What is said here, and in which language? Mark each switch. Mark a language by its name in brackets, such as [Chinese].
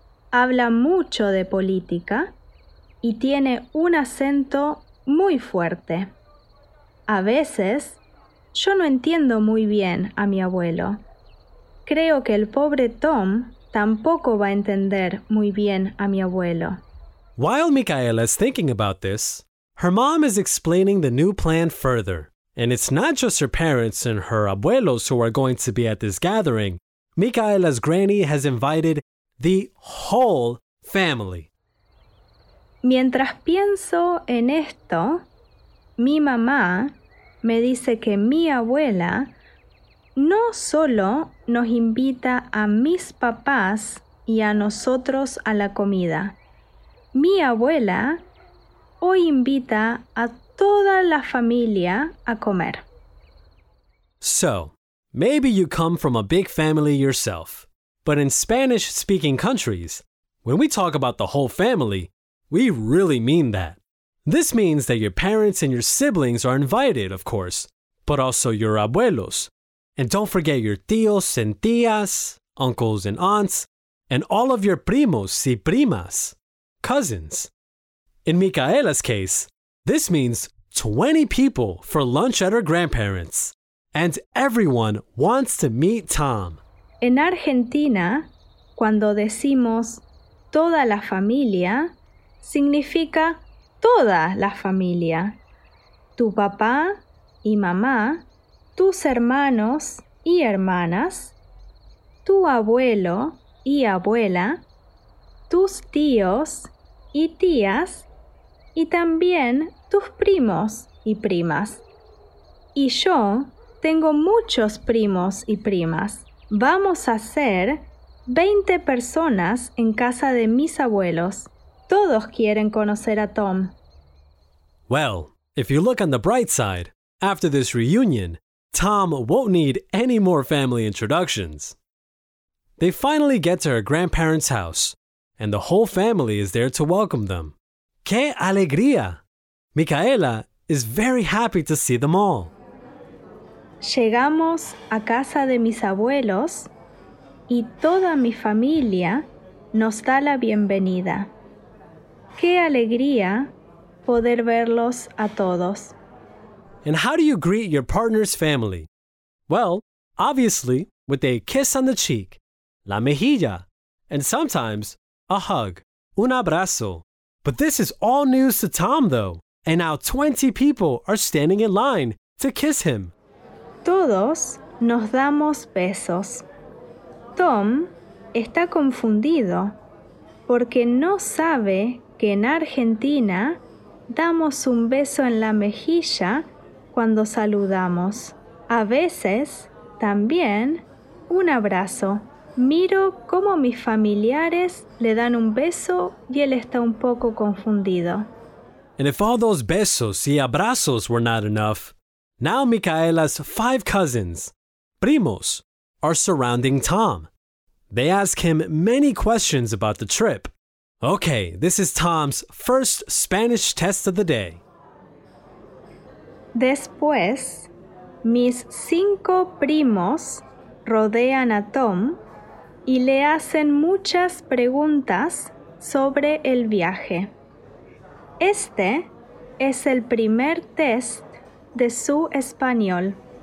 [Spanish] Habla mucho de política y tiene un acento muy fuerte. A veces, yo no entiendo muy bien a mi abuelo. Creo que el pobre Tom tampoco va a entender muy bien a mi abuelo. [English] While Micaela is thinking about this, Her mom is explaining the new plan further. And it's not just her parents and her abuelos who are going to be at this gathering. Micaela's granny has invited the whole family. [Spanish] Mientras pienso en esto, mi mamá me dice que mi abuela no solo nos invita a mis papás y a nosotros a la comida. Mi abuela hoy invita a toda la familia a comer. [English] So, maybe you come from a big family yourself. But in Spanish-speaking countries, when we talk about the whole family, we really mean that. This means that your parents and your siblings are invited, of course, but also your abuelos. And don't forget your tíos and tías, uncles and aunts, and all of your [Spanish] primos y primas, [English] cousins. In Micaela's case, this means 20 people for lunch at her grandparents. And everyone wants to meet Tom. [Spanish] En Argentina, cuando decimos toda la familia, significa toda la familia. Tu papá y mamá, tus hermanos y hermanas, tu abuelo y abuela, tus tíos y tías, y también tus primos y primas. Y yo tengo muchos primos y primas. Vamos a ser 20 personas en casa de mis abuelos. Todos quieren conocer a Tom. [English] Well, if you look on the bright side, after this reunion, Tom won't need any more family introductions. They finally get to her grandparents' house, and the whole family is there to welcome them. [Spanish] ¡Qué alegría! [English] Micaela is very happy to see them all. [Spanish] Llegamos a casa de mis abuelos y toda mi familia nos da la bienvenida. ¡Qué alegría poder verlos a todos! [English] And how do you greet your partner's family? Well, obviously, with a kiss on the cheek, [Spanish] la mejilla, [English] and sometimes a hug, [Spanish] un abrazo. [English] But this is all news to Tom, though, and now 20 people are standing in line to kiss him. [Spanish] Todos nos damos besos. Tom está confundido porque no sabe que en Argentina damos un beso en la mejilla cuando saludamos. A veces, también, un abrazo. Miro cómo mis familiares le dan un beso y él está un poco confundido. [English] And if all those [Spanish] besos y abrazos [English] were not enough, now Micaela's 5 cousins, primos, are surrounding Tom. They ask him many questions about the trip. Okay, this is Tom's first Spanish test of the day. [Spanish] Después, mis 5 primos rodean a Tom y le hacen muchas preguntas sobre el viaje. Este es el primer test de su español.